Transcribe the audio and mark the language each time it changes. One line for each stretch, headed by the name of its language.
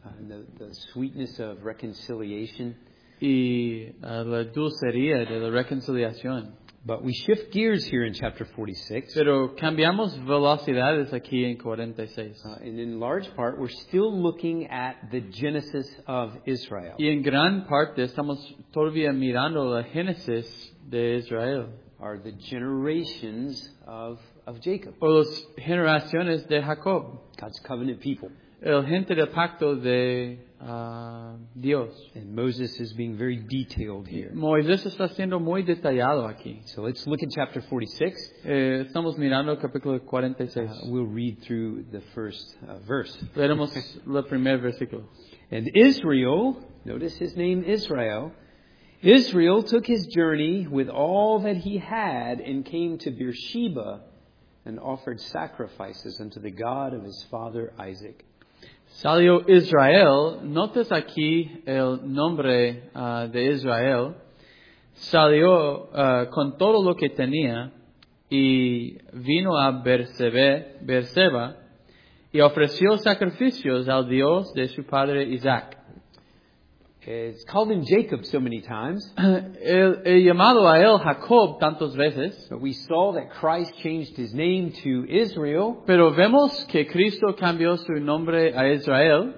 English: The sweetness of reconciliation.
Spanish: Y la dulcería de la reconciliación.
English: But we shift gears here in chapter 46.
Spanish: Pero cambiamos velocidades aquí en 46.
English: And in large part, we're still looking at the Genesis of Israel.
Spanish: Y en gran parte estamos todavía mirando la Génesis de Israel.
English: Are the generations of Jacob.
Spanish: O las generaciones de Jacob.
English: God's covenant people.
Spanish: El gente del pacto de Dios.
English: And Moses is being very detailed here.
Spanish: Moisés está siendo muy detallado aquí.
English: So let's look at chapter 46.
Spanish: Estamos mirando el capítulo 46.
English: We'll read through the first verse.
Spanish: Leeremos el primer versículo.
English: And Israel, notice his name Israel. Israel took his journey with all that he had and came to Beersheba and offered sacrifices unto the God of his father Isaac.
Spanish: Salió Israel, notas aquí el nombre de Israel, salió con todo lo que tenía y vino a Beersheba y ofreció sacrificios al Dios de su padre Isaac.
English: It's called him Jacob so many times.
Spanish: He llamado a él Jacob tantas veces.
English: But we saw that Christ changed his name to Israel.
Spanish: Pero vemos que Cristo cambió su nombre a Israel.